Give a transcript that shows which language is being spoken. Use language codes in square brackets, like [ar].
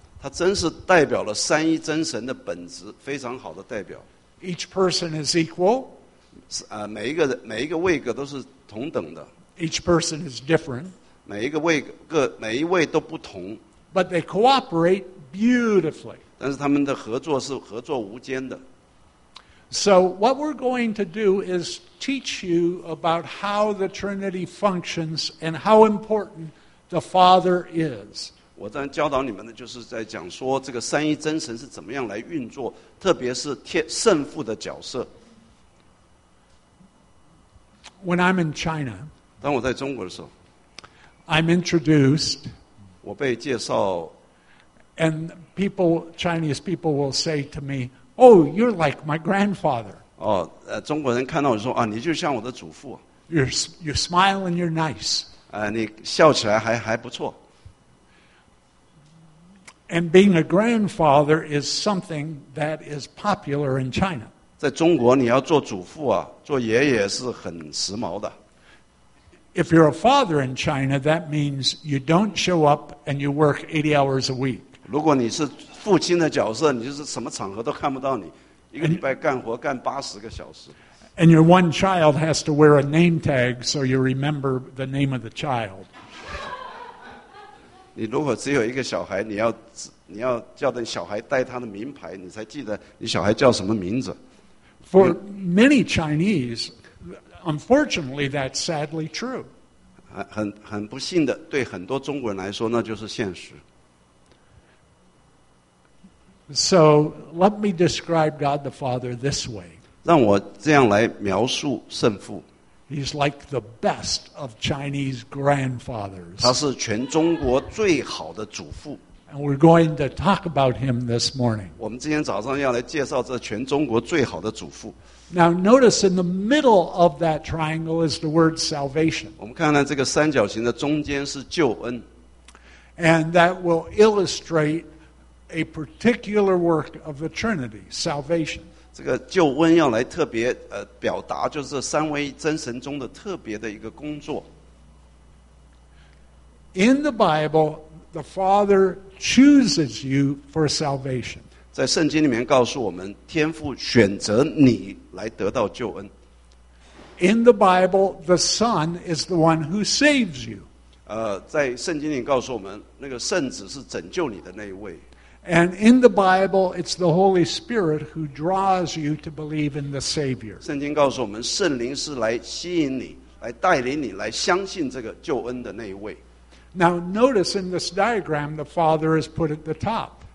[zh] 它真是代表了三一真神的本质，非常好的代表。 [en] Each person is equal. [zh] 每一个位格都是同等的。 [en] Each person is different. [zh] 每一位都不同。 [en] But they cooperate beautifully. [zh] 但是他们的合作是合作无间的。 [en] So what we're going to do is teach you about how the Trinity functions and how important the Father is. [zh] 我在教导你们的就是在讲说这个三一真神是怎么样来运作，特别是圣父的角色。 [en] When I'm in China, [zh] 当我在中国的时候 [en] ，I'm introduced. [zh] 我被介绍。 [en] And people, Chinese people will say to me, Oh, you're like my grandfather. [zh] 哦，中国人看到我说啊，你就像我的祖父。 [en] You smile and you're nice. [zh] 你笑起来还不错。 [en] And being a grandfather is something that is popular in China. [zh] 在中国你要做祖父啊，做爷爷是很时髦的。 [en] If you're a father in China, that means you don't show up and you work 80 hours a week. [zh] 如果你是父亲的角色，你就是什么场合都看不到你，一个礼拜干活干八十个小时。 [en] And your one child has to wear a name tag so you remember the name of the child. [zh] 你如果只有一个小孩，你要叫的小孩带他的名牌，你才记得你小孩叫什么名字。 [en] For many Chinese, unfortunately, that's sadly true. [zh] 很不幸的，对很多中国人来说，那就是现实。 [en] So let me describe God the Father this way. [zh] 让我这样来描述圣父。 [en] He's like the best of Chinese grandfathers. [zh] 他是全中国最好的祖父。 [en] And we're going to talk about him this morning. [zh] 我们今天早上要来介绍这全中国最好的祖父。 [en] Now notice in the middle of that triangle is the word salvation. [zh] 我们看看这个三角形的中间是救恩。 [en] And that will illustrate. A particular work of the Trinity, salvation. [zh] 这个救恩要来特别表达，就是三位真神中的特别的一个工作。 [en] In the Bible, the Father chooses you for salvation. [zh] 在圣经里面告诉我们，天父选择你来得到救恩。 [en] In the Bible, the Son is the one who saves you. [zh] 在圣经里告诉我们，那个圣子是拯救你的那一位。 [en] And in the Bible, it's the Holy Spirit who draws you to believe in the Savior. [zh] 圣经告诉我们，圣灵是来吸引你，来带领你，来相信这个救恩的那一位。 [en] Now, notice in this diagram, the Father is put at the top.